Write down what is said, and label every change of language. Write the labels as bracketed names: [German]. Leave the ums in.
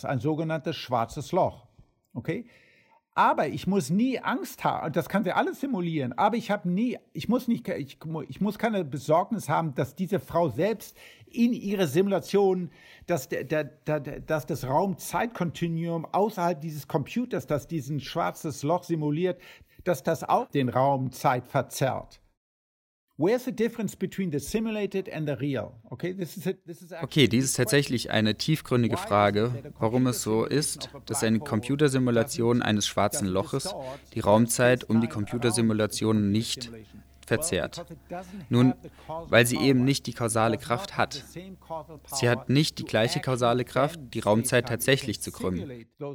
[German] Ein sogenanntes schwarzes Loch. Okay? Aber ich muss nie Angst haben, das kann sie alles simulieren, aber ich habe nie, ich muss nicht, ich, ich, muss keine Besorgnis haben, dass diese Frau selbst in ihre Simulation, dass, der, der, der, dass das Raum-Zeit-Kontinuum außerhalb dieses Computers, das diesen schwarzes Loch simuliert, dass das auch den Raum-Zeit verzerrt. [English] Where's the difference between the simulated and the real? Okay, this is a, this is [German] okay, dies ist tatsächlich eine tiefgründige Frage, warum es so ist, dass eine Computersimulation eines schwarzen Loches die Raumzeit um die Computersimulation nicht verzerrt. Nun, weil sie eben nicht die kausale Kraft hat. Sie hat nicht die gleiche kausale Kraft, die Raumzeit tatsächlich zu krümmen.